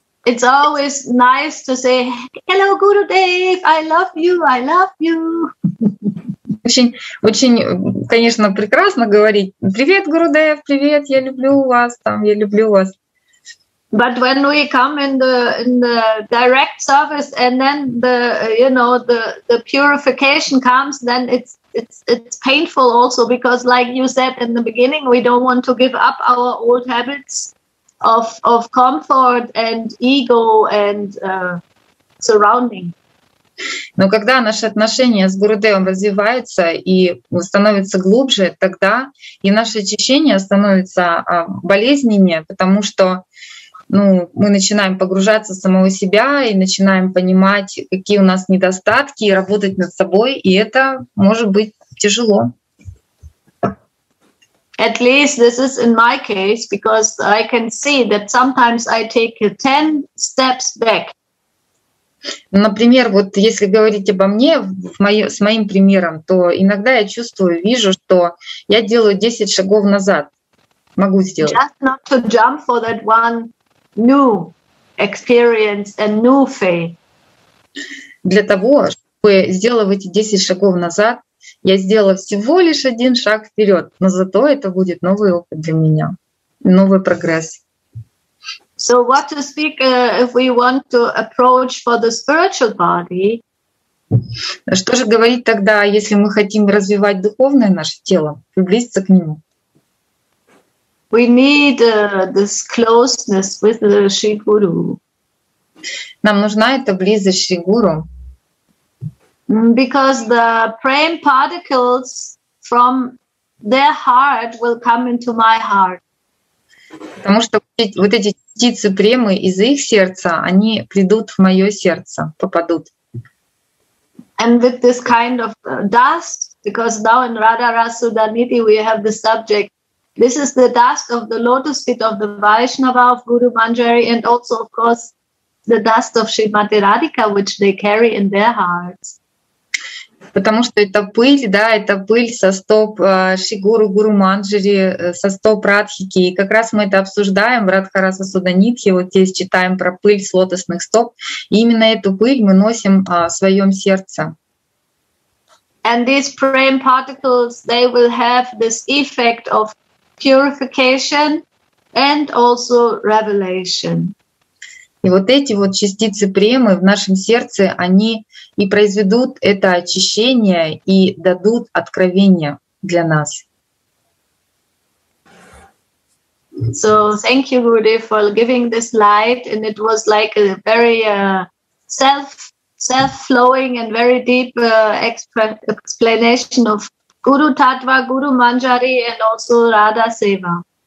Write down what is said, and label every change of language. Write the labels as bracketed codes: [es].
[en] It's always nice to say hello, Guru Dev, I love you, I love you. [ru] Очень, очень, конечно, прекрасно говорить. Привет, Гурудев, привет, я люблю вас, там, я люблю вас. [en] But when we come in the direct service and then the, you know, the purification comes, then it's painful also because, like you said in the beginning, we don't want to give up our old habits of comfort and ego and surrounding. [ru] Но когда наши отношения с Гурудевом развиваются и становятся глубже, тогда и наше очищение становится болезненнее, потому что, ну, мы начинаем погружаться в самого себя и начинаем понимать, какие у нас недостатки, и работать над собой, и это может быть тяжело. [en] At least this is in my case, because I can see that sometimes I take 10 steps back. [ru] Например, вот если говорить обо мне, с моим примером, то иногда я чувствую, вижу, что я делаю 10 шагов назад. Могу сделать. [en] Just not to jump for that one new experience and new faith. [ru] Для того, чтобы сделав эти 10 шагов назад, я сделала всего лишь один шаг вперед, но зато это будет новый опыт для меня, новый прогресс. [en] So what to speak if we want to approach for the spiritual body? [ru] Что же говорить тогда, если мы хотим развивать духовное наше тело, приблизиться к нему? [en] We need this closeness with the Shri Guru. [ru] Нам нужна эта близость Шри Гуру. [en] Because the prema particles from their heart will come into my heart. [ru] Потому что вот эти птицы премы из их сердца, они придут в мое сердце, попадут. [en] And with this kind of dust, because now in Radharasa Daniti we have the subject, this is the dust of the lotus feet of the Vaishnava of Guru Manjari and also, of course, the dust of Srimati Radhika, which they carry in their hearts. [ru] Потому что это пыль, да, это пыль со стоп Шигуру, Гуру Манджари, со стоп Радхики. И как раз мы это обсуждаем в Радхараса Суданитхи. Вот здесь читаем про пыль с лотосных стоп. И именно эту пыль мы носим в своем сердце. [en] And these prema particles, they will have this effect of purification and also revelation. [ru] И вот эти вот частицы премы в нашем сердце, они и произведут это очищение и дадут откровение для нас. [en] So thank you, Rudy, for giving this light. And it was like a very self-flowing and very deep explanation of Guru Tattva, Guru Manjari and also Radha Seva.